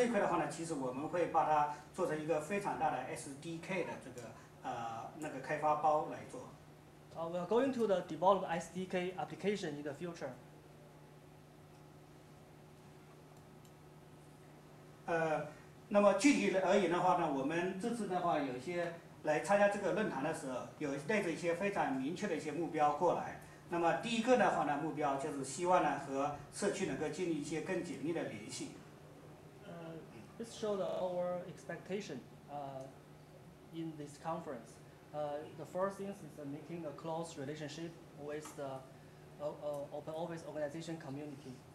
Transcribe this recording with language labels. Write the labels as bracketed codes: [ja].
[zh] 那个另外一方面的话，我们会强化刚才我演示了许多图形的，就是和应用系统相结合的这块的功能。那么这块的话呢，其实我们会把它做成一个非常大的 SDK 的这个那个开发包来做。 [en] We are going to develop SDK application in the future. [zh] 那么具体的而言的话呢，我们这次的话有一些来参加这个论坛的时候，有带着一些非常明确的一些目标过来。那么第一个的话呢，目标就是希望呢和社区能够建立一些更紧密的联系。 [en] This showed our expectation, in this conference. The first thing is making a close relationship with the OpenOffice organization community.